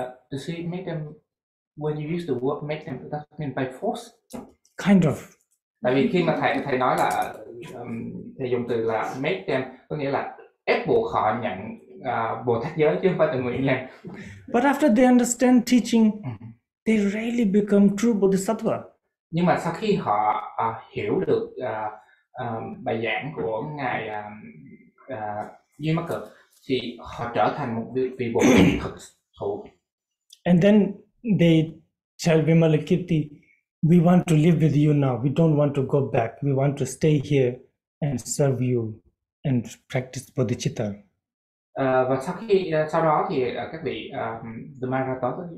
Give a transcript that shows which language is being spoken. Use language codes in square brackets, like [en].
[en] Does he make them, when you use the word make them, that's mean by force? Kind of. [vi] Tại vì khi mà thầy nói là thầy dùng từ là [en] make them, [vi] có nghĩa là ép buộc họ nhận Bồ Tát giới chứ không phải tự nguyện nha. [en] But after they understand teaching, they really become true Bodhisattva. [vi] Nhưng mà sau khi họ hiểu được bài giảng của ngài Duy Mắc Cực thì họ trở thành một vị Bồ Tát thực thụ. [en] And then they tell Vimalakirti, we want to live with you now. We don't want to go back. We want to stay here and serve you and practice bodhicitta. [vi] Và sau khi sau đó thì các vị the Maharata,